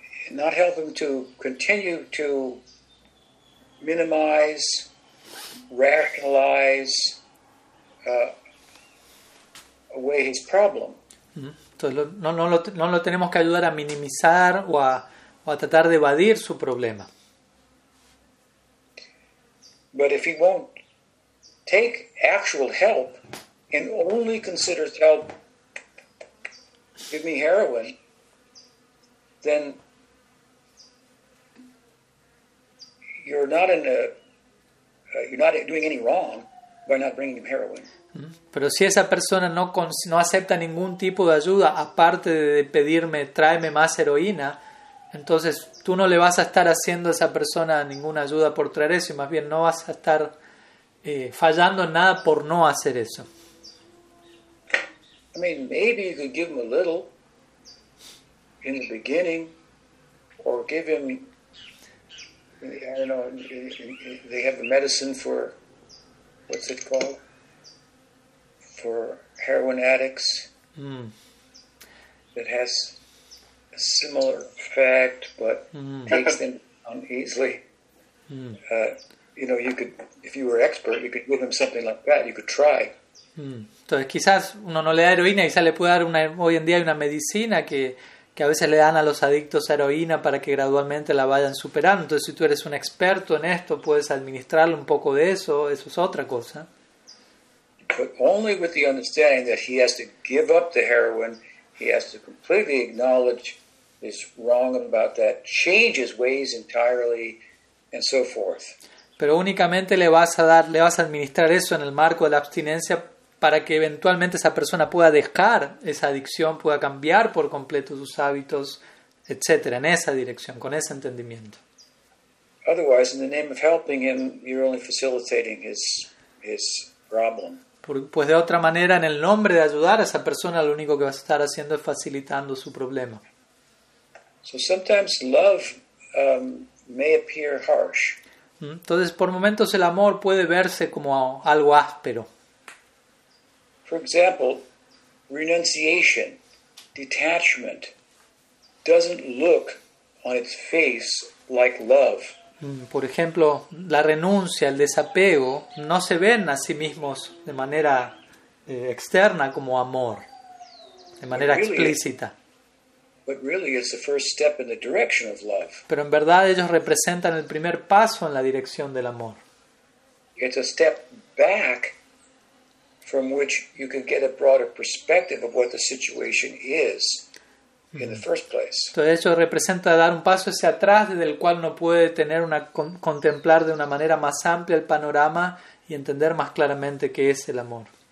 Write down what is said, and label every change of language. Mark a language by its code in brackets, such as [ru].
[en] Not help him to continue to minimize, rationalize, away his problem. [es] Entonces no lo tenemos que ayudar a minimizar o a tratar de evadir su problema. [en] But if he won't take actual help and only considers help, give me heroin, then you're not in you're not doing any wrong by not bringing him heroin. [es] Pero si esa persona no acepta ningún tipo de ayuda aparte de pedirme tráeme más heroína, entonces tú no le vas a estar haciendo a esa persona ninguna ayuda por traer eso, y más bien no vas a estar fallando en nada por no hacer eso. [en] I mean, maybe you could give him a little in the beginning, or give him, I don't know, they have a medicine for, what's it called? For heroin addicts. Mm. That has a similar effect, but takes them down easily. Mm. You know, you could, if you were expert, you could give him something like that. You could try. Mm. [es] Entonces, quizás uno no le da heroína, quizás le puede dar una, hoy en día hay una medicina que a veces le dan a los adictos a heroína para que gradualmente la vayan superando. Entonces, si tú eres un experto en esto, puedes administrarle un poco de eso. Eso es otra cosa. [en] But only with the understanding that he has to give up the heroin, he has to completely acknowledge he's wrong about that, change his ways entirely, and so forth. [es] Pero únicamente le vas a dar, le vas a administrar eso en el marco de la abstinencia para que eventualmente esa persona pueda dejar esa adicción, pueda cambiar por completo sus hábitos, etc., en esa dirección, con ese entendimiento. [en] Otherwise, in the name of helping him, you're only facilitating his problem. [es] Pues de otra manera, en el nombre de ayudar a esa persona, lo único que vas a estar haciendo es facilitando su problema. [en] So sometimes love, may appear harsh. [es] Entonces, por momentos el amor puede verse como algo áspero. [en] For example, renunciation, detachment, doesn't look on its face like love. [es] Por ejemplo, la renuncia, el desapego, no se ven a sí mismos de manera externa como amor, de manera [en] really [es] explícita. [en] But really it's the first step in the direction of love. [es] Pero en verdad ellos representan el primer paso en la dirección del amor. [en] It's a step back from which you can get a broader perspective of what the situation is. In the first place. [es] Entonces eso representa dar un paso hacia atrás desde el cual uno puede tener una contemplar de una manera más amplia el panorama y entender más claramente qué es el amor.